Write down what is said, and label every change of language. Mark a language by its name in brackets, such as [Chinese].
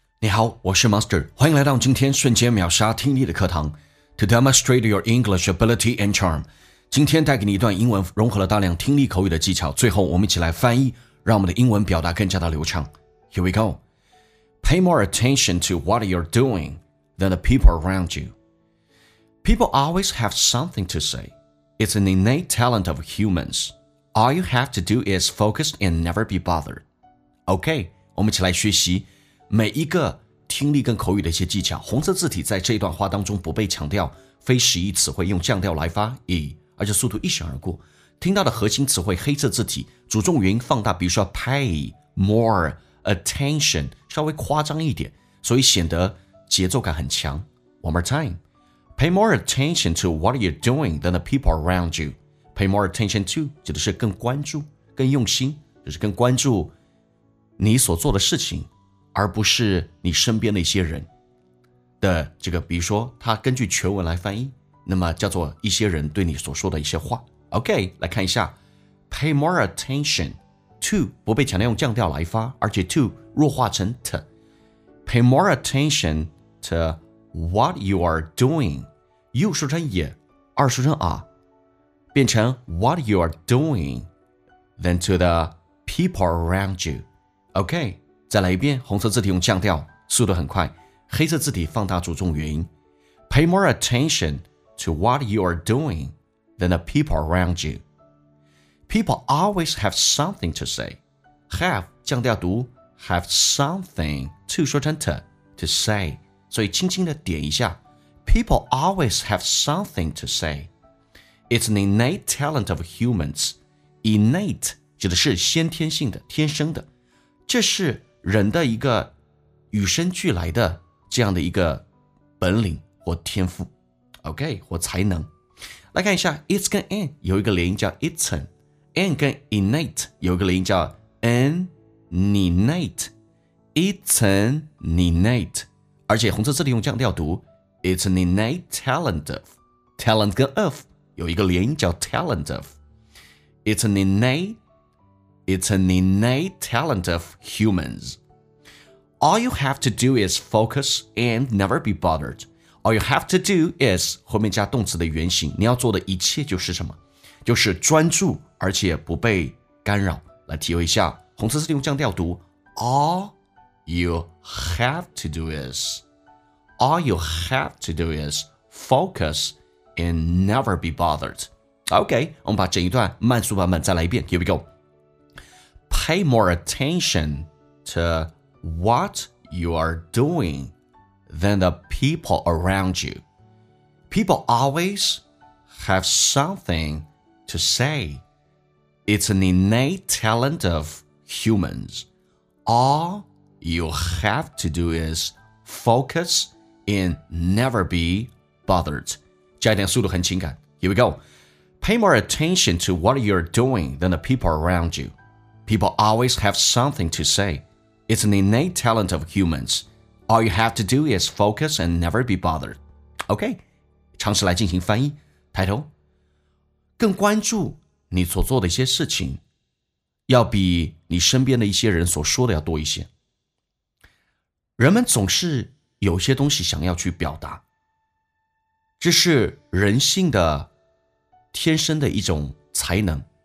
[Chinese] 好，我是 Master， 欢迎来到今天瞬间秒杀听力的课堂 [English] To demonstrate your English ability and charm。 [Chinese] 今天带给你一段英文，融合了大量听力口语的技巧，最后我们一起来翻译，让我们的英文表达更加的流畅。 [English] Here we go. Pay more attention to what you're doing than the people around you. People always have something to say. It's an innate talent of humans. All you have to do is focus and never be bothered. [Chinese] OK, 我们一起来学习每一个听力跟口语的一些技巧，红色字体在这一段话当中不被强调，非实义词汇用降调来发以，而且速度一闪而过。听到的核心词汇黑色字体，主重元放大，比如说 [English] pay more attention [Chinese] 稍微夸张一点，所以显得节奏感很强。 [English] One more time, pay more attention to what you're doing than the people around you. Pay more attention to [Chinese] 指的是更关注、更用心，就是更关注你所做的事情。而不是你身边的一些人的这个，比如说他根据全文来翻译，那么叫做一些人对你所说的一些话。 OK， 来看一下 [English] Pay more attention to， [Chinese] 不被强调用降调来发，而且 to 弱化成 to。 [English] Pay more attention to what you are doing， [Chinese] 又说成也，二说成啊，变成 [English] what you are doing than to the people around you。 [Chinese] OK，再来一遍，红色字体用降调，速度很快，黑色字体放大主重元音。 [English] Pay more attention to what you are doing than the people around you. People always have something to say. Have, [Chinese] 降调读 [English] have something to [Chinese] 说成 [English] to say. [Chinese] 所以轻轻的点一下。 [English] People always have something to say. It's an innate talent of humans. [Chinese] Innate, 指的是先天性的，天生的。这是人的一个与生俱来的这样的一个本领或天赋 OK 或才能。来看一下 [English] It's 跟 an 有一个连音叫 it's an， an 跟 innate 有一个连音叫 an-ninate， it's an-ninate， [Chinese] 而且红色字里用降调读 [English] It's an innate talent of， talent 跟 of 有一个连音叫 talent of， it's an innateIt's an innate talent of humans. All you have to do is focus and never be bothered. All you have to do is [Chinese] 后面加动词的原形，你要做的一切就是什么？就是专注而且不被干扰。来体会一下，红色字用降调读 [English] All you have to do is All you have to do is focus and never be bothered. OK, [Chinese] 我们把整一段慢速版本再来一遍。 [English] Here we goPay more attention to what you are doing than the people around you. People always have something to say. It's an innate talent of humans. All you have to do is focus and never be bothered. [Chinese] 加一点速度很情感。 [English] Here we go. Pay more attention to what you're doing than the people around you. People always have something to say. It's an innate talent of humans. All you have to do is focus and never be bothered. [Chinese] OK, 尝试来进行翻译。抬头，更关注你所做的一些事情，要比你身边的一些人所说的要多一些。人们总是有些东西想要去表达，这是人性的天生的一种才能。